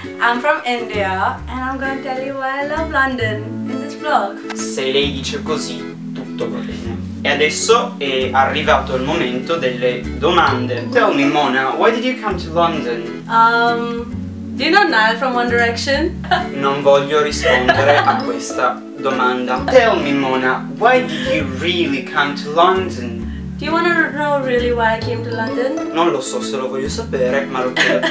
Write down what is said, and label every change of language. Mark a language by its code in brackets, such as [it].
[en] I'm from India and I'm going to tell you why I love London in this vlog. [it] Se lei dice così, tutto va bene. E adesso è arrivato il momento delle domande. [en] Tell me Mona, why did you come to London? Do you know Niall from One Direction? [it] Non voglio rispondere a questa domanda. [en] Tell me Mona, why did you really come to London? Do you wanna know really why I came to London? [it] Non lo so se lo voglio sapere, ma lo chiedo.